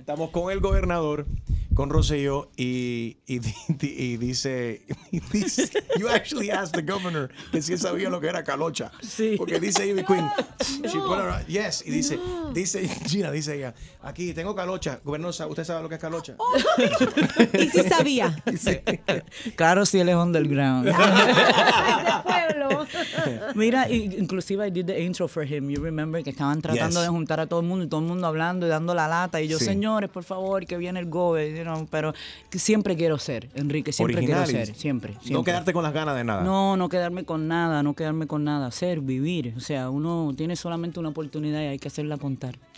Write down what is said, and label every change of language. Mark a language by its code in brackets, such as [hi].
[es] Estamos con el gobernador, con Rosselló, y dice, [en] you actually asked the governor [es] que si él sabía lo que era calocha. Sí. Porque dice Evie Queen, [en] she put her, [es] yes, y dice, dice Gina, dice ella, aquí tengo calocha, gobernador, ¿usted sabe lo que es calocha? Y sí sabía. Claro, si él es underground. Mira, inclusive [en] I did the intro for him. You remember [es] que estaban tratando [en] yes. [es] De juntar a todo el mundo hablando y dando la lata. Y yo, sí. Señores, por favor, que viene el gobernador. You know, pero siempre quiero ser, Enrique, siempre original. Quiero ser. Siempre. No quedarte con las ganas de nada. No quedarme con nada. Ser, vivir. O sea, uno tiene solamente una oportunidad y hay que hacerla contar.